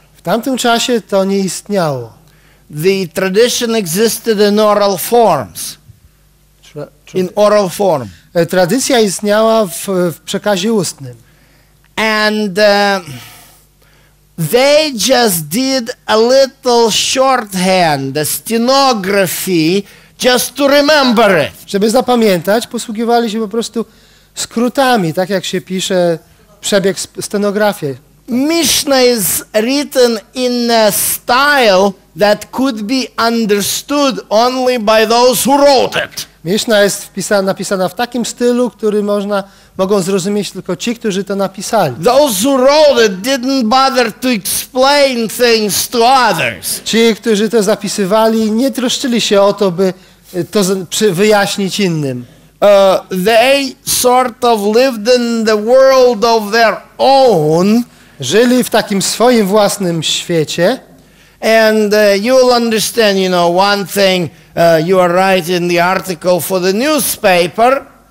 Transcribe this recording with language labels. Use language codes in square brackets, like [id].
[pl] W tamtym czasie to nie istniało. [en] The tradition existed in oral forms. In oral form. [pl] Tradycja istniała w przekazie ustnym. [en] And they just did a little shorthand, a stenography, just to remember it. [pl] Żeby zapamiętać, posługiwali się po prostu skrótami, tak jak się pisze przebieg stenografii. [en] Mishnah is written in a style that could be understood only by those who wrote it. [pl] Mishnah jest napisana w takim stylu, który mogą zrozumieć tylko ci, którzy to napisali. [en] Those who wrote it didn't bother to explain things to others. [pl] Ci, którzy to zapisywali, nie troszczyli się o to, by to wyjaśnić innym. [en] They sort of lived in the world of their own. [pl] Żyli w takim swoim własnym świecie. [en] And you'll understand, one thing. You are writing the article for the newspaper.